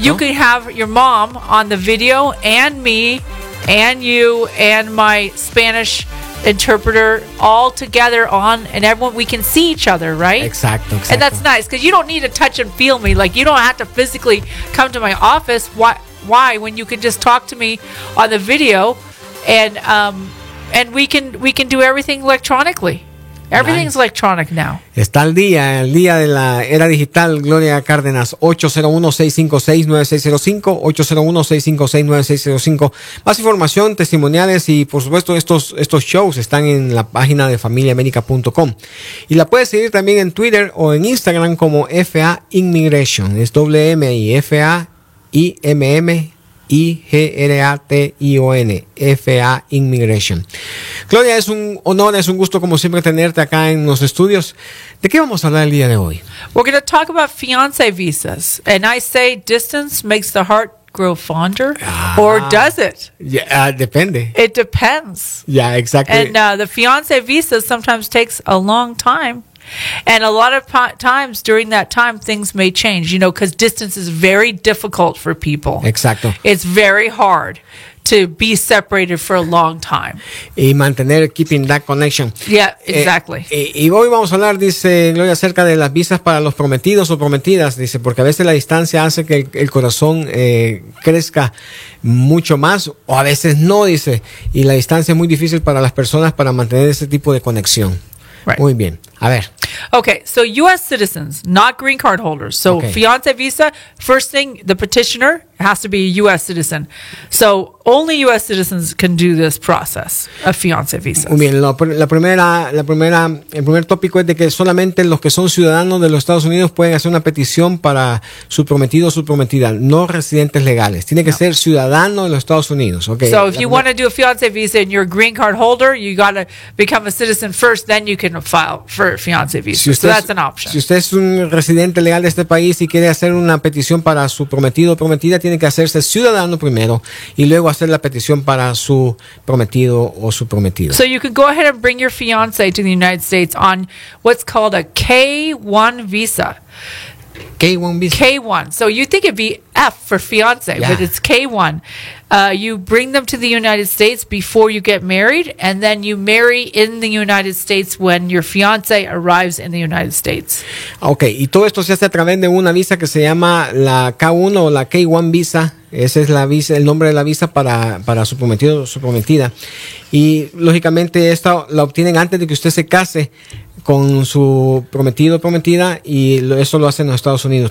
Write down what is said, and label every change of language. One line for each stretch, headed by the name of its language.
English: You can have your mom on the video and me and you and my Spanish interpreter all together on, and everyone, we can see each other, right?
Spanish: Exacto.
English: And that's nice because you don't need to touch and feel me. Like, you don't have to physically come to my office. Why? When you can just talk to me on the video, and we can do everything electronically. Everything's electronic now.
Spanish: Está el día de la era digital, Gloria Cárdenas. 801-656-9605, 801-656-9605. Más información, testimoniales y, por supuesto, estos shows están en la página de familiaamerica.com. Y la puedes seguir también en Twitter o en Instagram como FA Immigration. Es WM y FA IMMIGRATION, FA Immigration. Gloria, es un honor, es un gusto como siempre tenerte acá en los estudios. ¿De qué vamos a hablar el día de hoy?
English: We're going to talk about fiancé visas. And I say distance makes the heart grow fonder, or does it?
Spanish: Yeah, depende.
English: It depends. Yeah, exactly. And the fiancé visa sometimes takes a long time. And a lot of times during that time, things may change, you know, because distance is very difficult for people.
Spanish: Exacto.
English: It's very hard to be separated for a long time.
Spanish: Y mantener,
English: keeping that connection. Yeah, exactly.
Spanish: Y hoy vamos a hablar, dice Gloria, acerca de las visas para los prometidos o prometidas, dice, porque a veces la distancia hace que el corazón crezca mucho más, o a veces no, dice, y la distancia es muy difícil para las personas para mantener ese tipo de conexión.
English: Right.
Spanish: Muy bien. A ver.
English: Okay, so U.S. citizens, not green card holders. So okay. Fiancé visa, first thing, the petitioner has to be a U.S. citizen. So only U.S. citizens can do this process of fiancé visas.
Spanish: Muy bien. El primer tópico es de que solamente los que son ciudadanos de los Estados Unidos pueden hacer una petición para su prometido o su prometida, no residentes legales. Tiene que ser ciudadano de los Estados Unidos.
English: Okay. So if you want to do a fiancé visa and you're a green card holder, you got to become a citizen first, then you can file for fiancé visa.
Spanish: Si usted,
English: so that's an option.
Spanish: Si usted es un residente legal de este país y quiere hacer una petición para su prometido o prometida, tiene que hacerse ciudadano primero y luego hacer la petición para su prometido o su prometida.
English: So you can go ahead and bring your fiance to the United States on what's called a K-1 visa. K-1 visa. K-1. So you think it'd be F for fiance, yeah, but it's K-1. You bring them to the United States before you get married, and then you marry in the United States when your fiance arrives in the United States.
Spanish: Okay, y todo esto se hace a través de una visa que se llama la K-1 o la K-1 visa. Ese es la visa, el nombre de la visa para su prometido o su prometida. Y lógicamente esta la obtienen antes de que usted se case con su prometido o prometida, y eso lo hacen en los Estados Unidos.